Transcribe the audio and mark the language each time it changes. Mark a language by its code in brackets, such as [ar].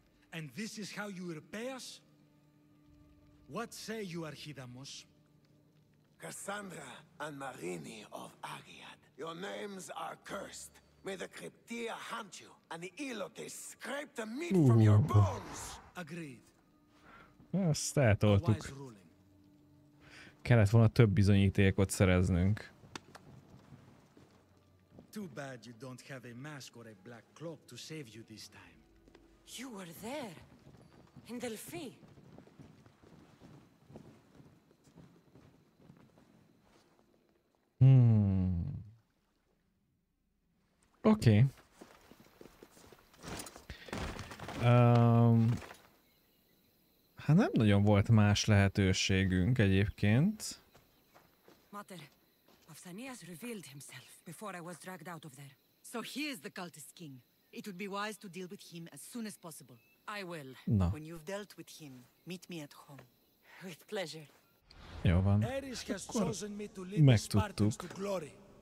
[en] And this is how you repay us? What say you, Archidamus? Cassandra and Marini of Agiad. Your names are cursed. May the Cryptea hunt you, and the Elotes scrape the meat from your bones! Agreed. [hu] Ezt eltoltuk. Kellett volna több bizonyítékot szereznünk. [en] Too bad you don't have a mask or a black cloak to save you this time. You were there, in Delphi. [hu] Oké. Hát nem nagyon volt más lehetőségünk egyébként. [en] Mother, Pausanias revealed himself before I was dragged out of there. So he is the cultist king. It would be wise to deal with him as soon as possible. I will. [hu] Na. [en] When you've dealt with him, meet me at home. With pleasure. [hu] Jó van. [en] Eris has chosen me to lead the Spartans to glory.